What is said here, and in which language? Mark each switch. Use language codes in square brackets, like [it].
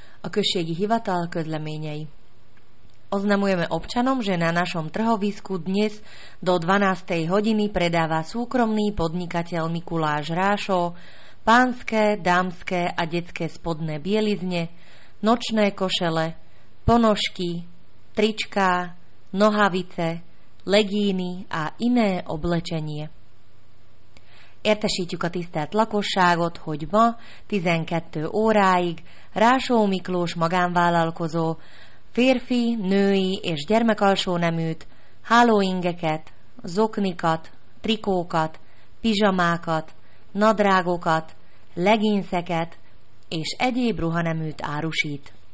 [hu] A kösségi hivatal közleményei. [sk] Oznamujeme občanom, že na našom trhovisku dnes do 12. hodiny predáva súkromný podnikateľ Mikuláš Rášo pánske, dámske a detské spodné bielizne, nočné košele, ponožky, tričká, nohavice, legíny a iné oblečenie. [hu] Értesítjük a tisztelt lakosságot, hogy ma 12 óráig Rásó Miklós magánvállalkozó férfi, női és gyermekalsóneműt, hálóingeket, zoknikat, trikókat, pizsamákat, nadrágokat, leginszeket és egyéb ruhaneműt árusít.